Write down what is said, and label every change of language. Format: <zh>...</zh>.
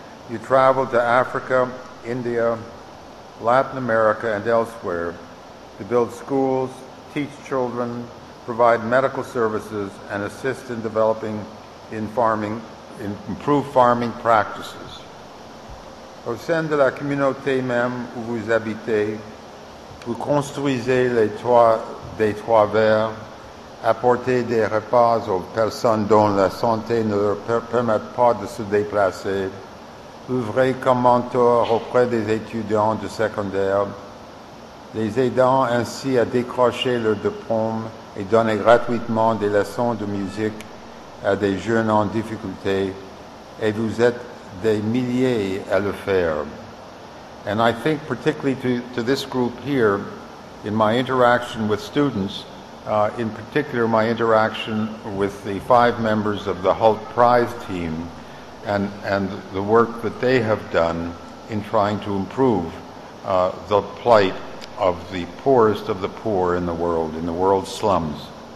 <en>You traveled to Africa, India, Latin America, and elsewhere to build schools, teach children, provide medical services, and assist in developing in improved farming practices.</en> <fr>Au sein de la communauté même où vous habitez, vous construisez les toits des toits verts, apporter des repas aux personnes dont la santé ne leur permet pas de se déplacer, œuvrer comme mentor auprès des étudiants de secondaire, les aidant ainsi à décrocher leur diplôme et donner gratuitement des leçons de musique à des jeunes en difficulté, et vous êtes des milliers à le faire.</fr> <en>And I think particularly to this group here, in my interaction with students, in particular, my interaction with the five members of the Hult Prize team and the work that they have done in trying to improve the plight of the poorest of the poor in the world, in the world's slums.</en>